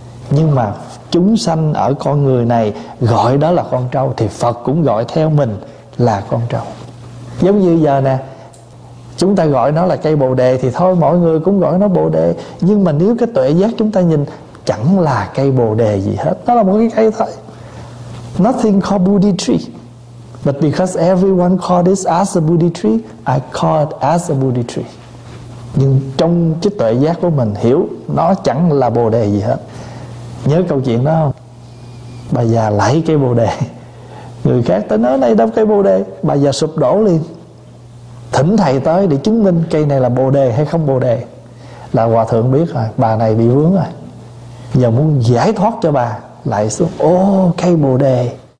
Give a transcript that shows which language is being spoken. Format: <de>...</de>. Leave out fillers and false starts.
<vi>Nhưng mà chúng sanh ở con người này gọi đó là con trâu, thì Phật cũng gọi theo mình là con trâu. Giống như giờ nè, chúng ta gọi nó là cây bồ đề thì thôi, mọi người cũng gọi nó bồ đề. Nhưng mà nếu cái tuệ giác chúng ta nhìn, chẳng là cây bồ đề gì hết, nó là một cái cây thôi.</vi> <en>Nothing called Bodhi tree, but because everyone called this as a Bodhi tree, I call it as a Bodhi tree.</en> <vi>Nhưng trong cái tuệ giác của mình hiểu nó chẳng là bồ đề gì hết. Nhớ câu chuyện đó không? Bà già lấy cây bồ đề, người khác tới nói này đâu cây bồ đề, bà già sụp đổ liền. Thỉnh thầy tới để chứng minh cây này là bồ đề hay không bồ đề. Là hòa thượng biết rồi, bà này bị vướng rồi, giờ muốn giải thoát cho bà, lại xuống, ô cây bồ đề.</vi>